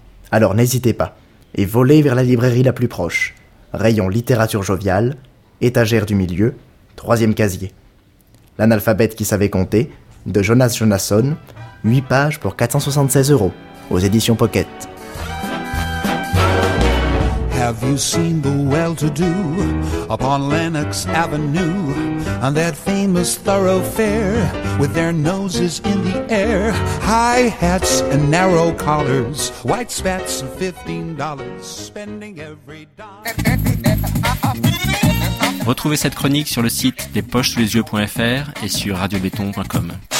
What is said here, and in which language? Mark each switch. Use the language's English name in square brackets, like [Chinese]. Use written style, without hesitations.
[French] Alors n'hésitez pas, et voler vers la librairie la plus proche, rayon littérature joviale, étagère du milieu, 3e casier. L'analphabète qui savait compter, de Jonas Jonasson, 8 pages pour 476 € aux éditions Pocket. [English] Have you seen the well-to-do upon Lenox Avenue on that famous thoroughfare with their noses in the air, high hats and narrow collars, white spats of $15, spending every dollar. [French] Retrouvez cette chronique sur le site despochessousyeux.fr et sur radiobeton.com.